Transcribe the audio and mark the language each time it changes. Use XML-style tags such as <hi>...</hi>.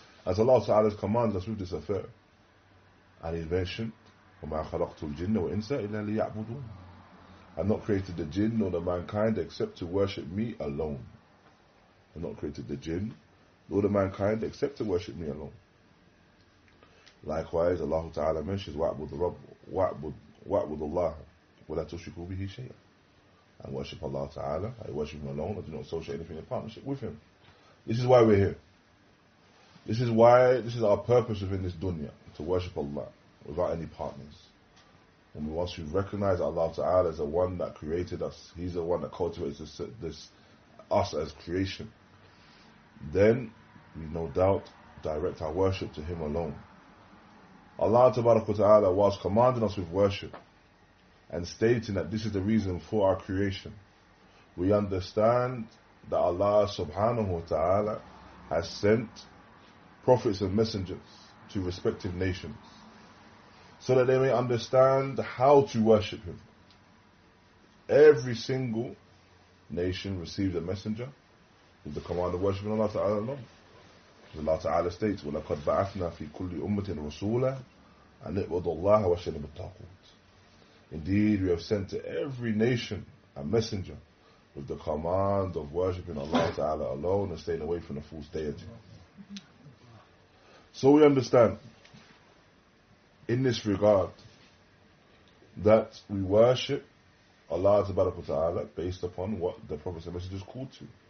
<en>As Allah Ta'ala has commanded us with this affair, and he mentioned,</en> <ar>وَمَا خَلَقْتُ الْجِنَّ وَإِنْسَ إِلَّا لِيَعْبُدُونَ.</ar> <en>I've not created the jinn nor the mankind except to worship me alone. I've not created the jinn nor the mankind except to worship me alone. Likewise, Allah Ta'ala mentions,</en> <ar>وَعْبُدُ اللَّهَ وَلَا تُشْرِكُوا بِهِ شَيْئًا.</ar> <en>And worship Allah Ta'ala. I worship him alone. I do not associate anything in partnership with him. This is why we're here. This is why, this is our purpose within this dunya. To worship Allah. without any partners. And once we recognize Allah Ta'ala is the one that created us, He's the one that cultivates this us as creation, then we no doubt direct our worship to Him alone. Allah Ta'ala was commanding us with worship and stating that this is the reason for our creation. We understand that Allah Subhanahu Wa Ta'ala has sent prophets and messengers to respective nations so that they may understand how to worship Him. Every single nation received a messenger with the command of worshiping Allah Ta'ala alone. Allah Ta'ala states,</en> <ar>وَلَقَدْ بَعَثْنَا فِي كُلِّ أُمَّةٍ رَسُولًا أَنْ اِعْبُدُوا اللَّهَ وَاجْتَنِبُوا الطَّاغُوتَ.</ar> <en>Indeed, we have sent to every nation a messenger with the command of worshipping Allah Ta'ala alone and staying away from the false deity. So we understand in this regard that we worship Allah Ta'ala based upon what the prophets and messengers called to.</en>